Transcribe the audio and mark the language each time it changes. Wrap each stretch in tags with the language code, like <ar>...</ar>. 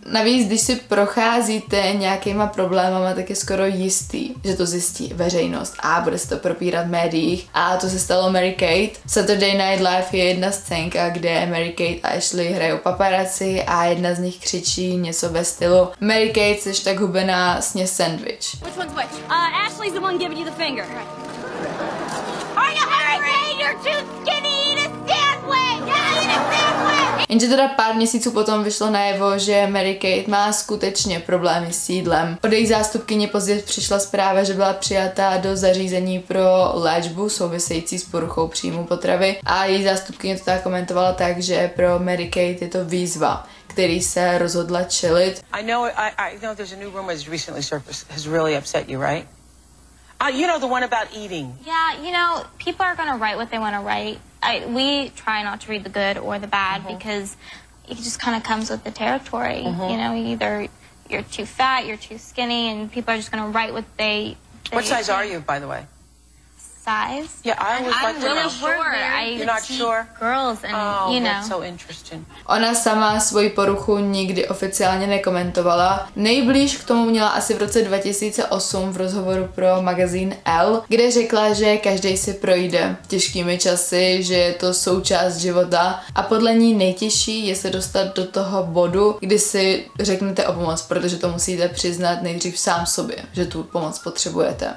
<cs>Navíc, když si procházíte nějakýma problémama, tak je skoro jistý, že to zjistí veřejnost a bude se to propírat v médiích. A to se stalo Mary Kay. Saturday Night Live je jedna scénka, kde Mary Kate a Ashley hrajou paparazzi a jedna z nich křičí něco ve stylu Mary Kate, jsi tak hubená, sně sandwich.</cs> <en>Which one's which? Ashley's the one giving you the finger. Are you Mary Kate, you're too skinny, eat a sandwich!</en> <cs>Jenže teda pár měsíců potom vyšlo najevo, že Mary Kate má skutečně problémy s jídlem. Od její zástupkyně pozdě přišla zpráva, že byla přijata do zařízení pro léčbu související s poruchou příjmu potravy a její zástupkyně to tak komentovala tak, že pro Mary Kate je to výzva, který se rozhodla čelit.</cs> <en>I know there's a new rumor that's recently surfaced has really upset you, right? You know the one about eating. Yeah, you know, people are going to write what they want to write. We try not to read the good or the bad mm-hmm. because it just kind of comes with the territory. Mm-hmm. You know, either you're too fat, you're too skinny, and people are just going to write what they What size think. Are you, by the way? Size? Yeah, I was like, I'm really sure. You're not sure? Girls, and oh, you know. That's so interesting.</en> <cs>Ona sama svoji poruchu nikdy oficiálně nekomentovala. Nejblíž k tomu měla asi v roce 2008 v rozhovoru pro magazín Elle, kde řekla, že každý si projde těžkými časy, že je to součást života a podle ní nejtěžší je se dostat do toho bodu, kdy si řeknete o pomoc, protože to musíte přiznat nejdřív sám sobě, že tu pomoc potřebujete.</cs>